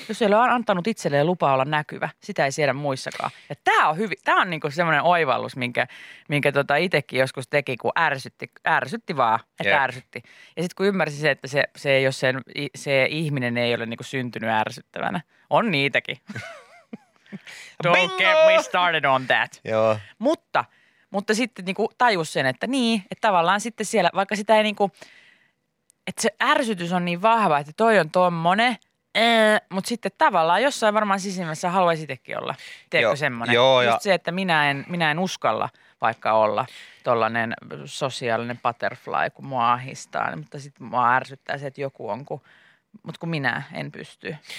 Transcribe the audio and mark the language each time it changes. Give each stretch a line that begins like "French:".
Finnish: Jos ei ole antanut itselleen lupaa olla näkyvä, sitä ei siedä muissakaan. Ja tämä on niinku semmoinen oivallus, minkä itsekin joskus teki, kun ärsytti vaan, että ärsytti. Ja sitten kun ymmärsi se, että se ihminen ei ole niinku syntynyt ärsyttävänä, on niitäkin.
English: Don't get me started on that.
Finnish: Joo. Mutta sitten niinku tajus sen, että niin, että tavallaan sitten siellä, vaikka sitä ei niinku, että se ärsytys on niin vahva, että toi on tommonen, mutta sitten tavallaan jossain varmaan sisimmässä haluaisi itsekin olla, tiedätkö semmoinen. Joo, just se, että minä en uskalla vaikka olla tollainen sosiaalinen butterfly, kun mua ahistaa, mutta sitten mua ärsyttää se, että joku on, mutta kun minä en pysty.